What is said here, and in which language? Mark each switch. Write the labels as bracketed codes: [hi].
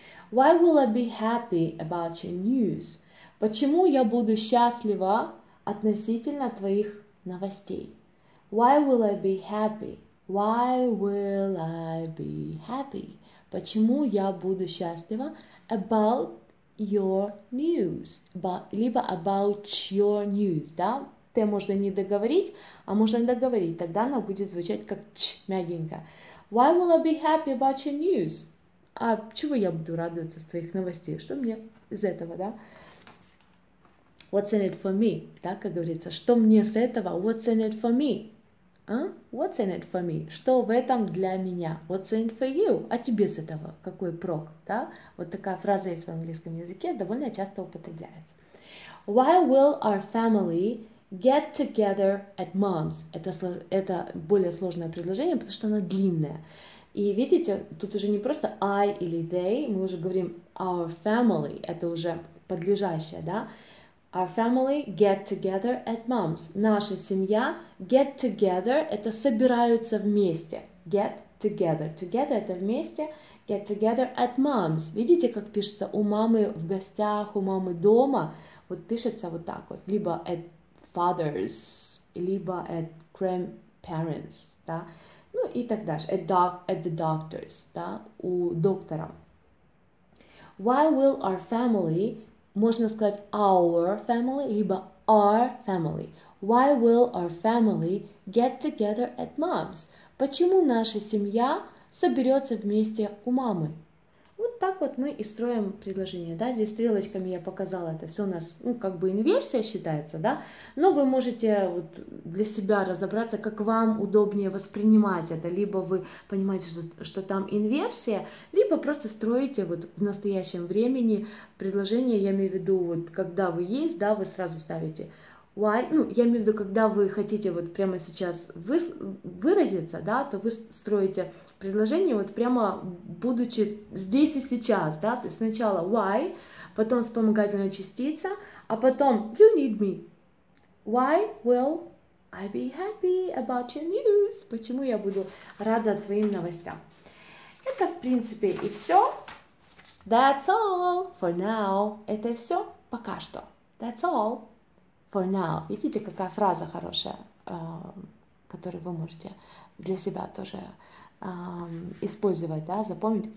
[en] Why will I be happy about your news? [ru] Почему я буду счастлива относительно твоих новостей? [en] Why will I be happy? Why will I be happy? [ru] Почему я буду счастлива [en] about your news? About, либо about your news, да? [ru] Т можно не договорить, а можно договорить. Тогда она будет звучать как ч, мягенько. [en] Why will I be happy about your news? [ru] А чего я буду радоваться с твоих новостей? Что мне из этого, да? [en] What's in it for me? [ru] Да, как говорится, что мне с этого? [en] What's in it for me? А? What's in it for me? [ru] Что в этом для меня? [en] What's in it for you? [ru] А тебе с этого какой прок? Да? Вот такая фраза есть в английском языке, довольно часто употребляется. [en] Why will our family get together at mom's? [ru] Это более сложное предложение, потому что оно длинное. И видите, тут уже не просто I или they, мы уже говорим [en] our family, [ru] это уже подлежащее, да? [en] Our family get together at mom's. [ru] Наша семья [en] get together, [ru] это собираются вместе. [en] Get together. Together [ru] это вместе. [en] Get together at mom's. [ru] Видите, как пишется у мамы в гостях, у мамы дома? Вот пишется вот так вот. Либо [en] at father's, [ru] либо [en] at grandparents, [ru] да? Ну и так дальше. [en] At the doctor's, да? [ru] У доктора. [en] Why will our family... [ru] Можно сказать [en] our family, либо our family. Why will our family get together at mom's? [ru] Почему наша семья соберется вместе у мамы? Вот так вот мы и строим предложение, да? Здесь стрелочками я показала это. Все у нас, ну, как бы инверсия считается, да? Но вы можете вот для себя разобраться, как вам удобнее воспринимать это. Либо вы понимаете, что там инверсия, либо просто строите вот в настоящем времени предложение. Я имею в виду, вот когда вы есть, да, вы сразу ставите why. Ну, я имею в виду, когда вы хотите вот прямо сейчас выразиться, да, то вы строите предложение вот прямо будучи здесь и сейчас, да, то есть сначала why, потом вспомогательная частица, а потом [en] you need me. Why will I be happy about your news? [ru] Почему я буду рада твоим новостям? Это, в принципе, и все. [en] That's all for now. [ru] Это все пока что. [en] That's all for now. [ru] Видите, какая фраза хорошая, которую вы можете для себя тоже использовать, да, запомнить.